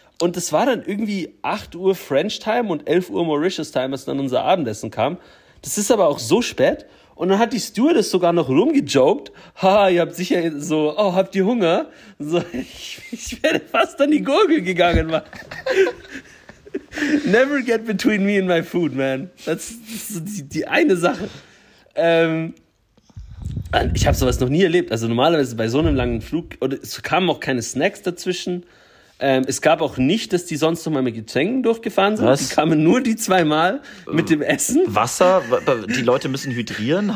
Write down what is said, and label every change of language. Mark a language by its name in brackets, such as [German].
[German] Und es war dann irgendwie 8 Uhr French Time und 11 Uhr Mauritius Time, als dann unser Abendessen kam. Das ist aber auch so spät. Und dann hat die Stewardess sogar noch rumgejoked. Haha, ihr habt sicher so, oh, habt ihr Hunger? So, ich wäre fast an die Gurgel gegangen. [English] Never get between me and my food, man. [German] Das ist die eine Sache. Ich habe sowas noch nie erlebt. Also normalerweise bei so einem langen Flug, oder es kamen auch keine Snacks dazwischen. Es gab auch nicht, dass die sonst noch mal mit Getränken durchgefahren sind. Was? Die kamen nur die zweimal mit dem Essen. Wasser? Die Leute müssen hydrieren?